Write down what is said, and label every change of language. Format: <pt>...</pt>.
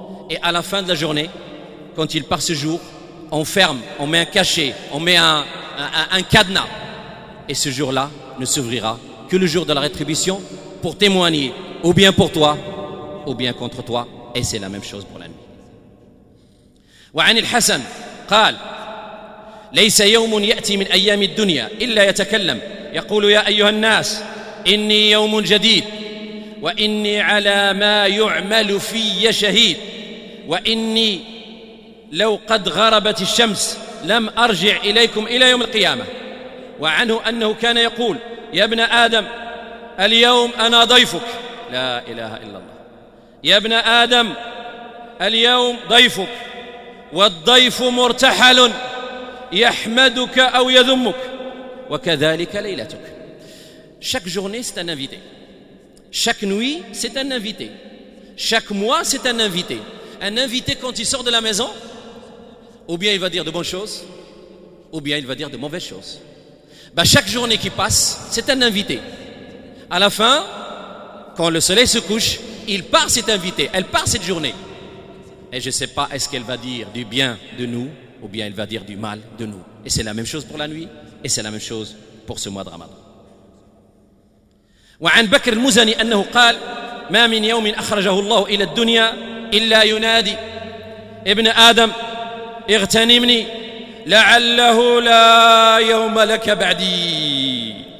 <fr>Et à la fin de la journée, quand il part ce jour, on ferme, on met un cachet, on met un cadenas. Et ce jour-là ne s'ouvrira que le jour de la rétribution pour témoigner ou bien pour toi ou bien contre toi. Et c'est la même chose pour la nuit.</fr> <ar>وعن الحسن قال: ليس يوم يأتي من أيام الدنيا إلا يتكلم يقول: يا أيها الناس، إني يوم جديد، وإني على ما يعمل في شهيد، وإني لو قد غربت الشمس لم أرجع إليكم إلى يوم القيامة. وعنه أنه كان يقول: يا ابن آدم، اليوم أنا ضيفك، لا إله إلا الله، يا ابن آدم اليوم ضيفك، والضيف مرتحل يحمدك أو يذمك، وكذلك ليلتك.</ar> <fr>Chaque journée c'est un invité, chaque nuit c'est un invité, chaque mois c'est un invité. Un invité, quand il sort de la maison, ou bien il va dire de bonnes choses ou bien il va dire de mauvaises choses. Bah, chaque journée qui passe c'est un invité. À la fin, quand le soleil se couche, il part cet invité, elle part cette journée. Et je ne sais pas, est-ce qu'elle va dire du bien de nous ou bien elle va dire du mal de nous. Et c'est la même chose pour la nuit et c'est la même chose pour ce mois de Ramadan.</fr> <ar>وعن بكر المزني أنه قال: ما من يوم أخرجه الله إلى الدنيا إلا ينادي: ابن آدم اغتنمني لعله لا يوم لك بعدي.</ar>